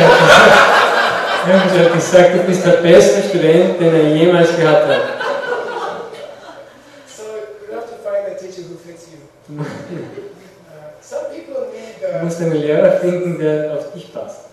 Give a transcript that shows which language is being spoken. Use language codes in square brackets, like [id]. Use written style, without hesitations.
[de] hat gesagt, du bist der beste Student, den er jemals gehabt hat. [en] So you have to find a teacher who fits you. Some people need. [de] Du musst einen Lehrer finden, der auf dich passt.